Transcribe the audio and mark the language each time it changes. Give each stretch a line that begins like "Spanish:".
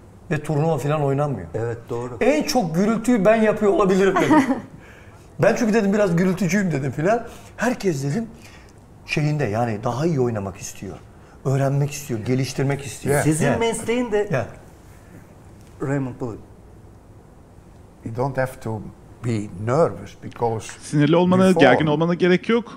Turkish: Ve turnuva falan oynanmıyor. Evet, doğru. En çok gürültüyü ben yapıyor olabilirim dedim. Ben çünkü dedim biraz gürültücüyüm dedim falan. Herkes dedim şeyinde yani daha iyi oynamak istiyor. Öğrenmek istiyor, geliştirmek istiyor. Sizin mesleğin de Raymond Bullock.
English: You don't have to be nervous because
Turkish: sinirli olmana, before, gergin olmana gerek yok.